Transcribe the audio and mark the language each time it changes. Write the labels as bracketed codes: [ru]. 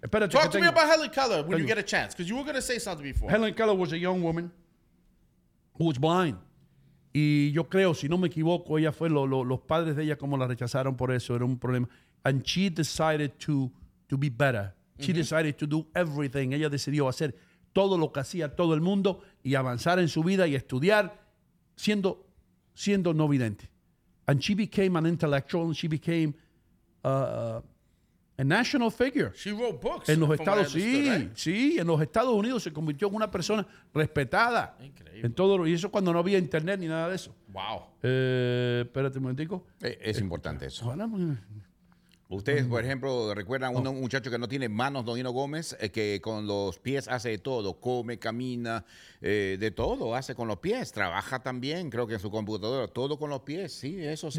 [en] Talk to me about Helen Keller when you get a chance, because you were going to say something before. Helen Keller was a young woman who was blind. [es] Y yo creo, si no me equivoco, ella fue los padres de ella como la rechazaron por eso, era un problema. [en] And she decided to be better. She decided to do everything. [es] Ella decidió hacer todo lo que hacía todo el mundo y avanzar en su vida y estudiar siendo no vidente. [en] And she became an intellectual and she became a national figure. She wrote books. [es] En los Estados Unidos, sí, en los Estados Unidos se convirtió en una persona respetada. Increíble. En todo, y eso cuando no había internet ni nada de eso. [en] Wow. [es] Espérate un momentico. Es importante eso. Ojalá. Ustedes, por ejemplo, recuerdan a un muchacho que no tiene manos, Don Hino Gómez, que con los pies hace de todo, come, camina, de todo, hace con los pies, trabaja también, creo que en su computadora, todo con los pies, sí, eso se